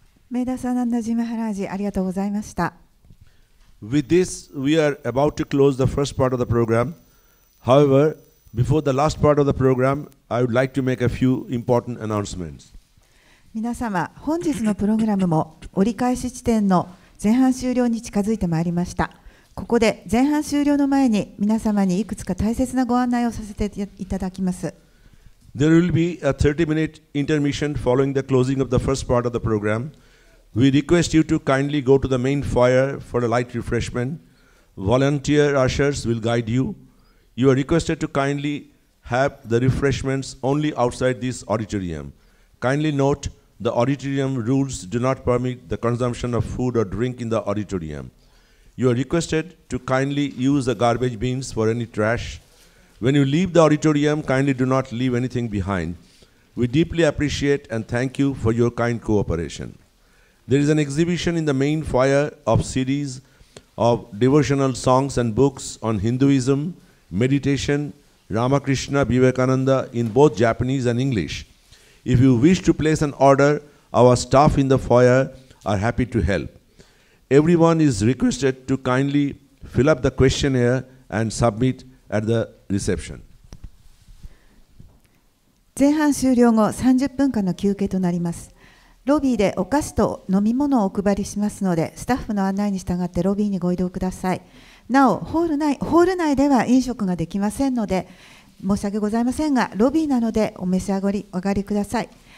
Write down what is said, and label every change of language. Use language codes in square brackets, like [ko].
[ja] メダサナンダジマハラージ、ありがとうございました。 [en] With this, we are about to close the first part of the program. However, before the last part of the program, I would like to make a few important announcements. [ja] 皆様、本日のプログラムも折り返し地点の前半終了に近づいてまいりました。ここで前半終了の前に皆様にいくつか大切なご案内をさせていただきます。 [en] There will be a 30-minute intermission following the closing of the first part of the program. We request you to kindly go to the main foyer for a light refreshment. Volunteer ushers will guide you. You are requested to kindly have the refreshments only outside this auditorium. Kindly note, the auditorium rules do not permit the consumption of food or drink in the auditorium. You are requested to kindly use the garbage bins for any trash. When you leave the auditorium, kindly do not leave anything behind. We deeply appreciate and thank you for your kind cooperation. There is an exhibition in the main foyer of series of devotional songs and books on Hinduism, meditation, Ramakrishna, Vivekananda in both Japanese and English. If you wish to place an order, our staff in the foyer are happy to help. Everyone is requested to kindly fill up the questionnaire and submit at the reception. [ja] 前半終了後30分間の休憩となります。ロビーでお菓子と飲み物をお配りしますので、スタッフの案内に従ってロビーにご移動ください。なお、ホール内では飲食ができませんので、申し訳ございませんが、ロビーなのでお召し上がりください。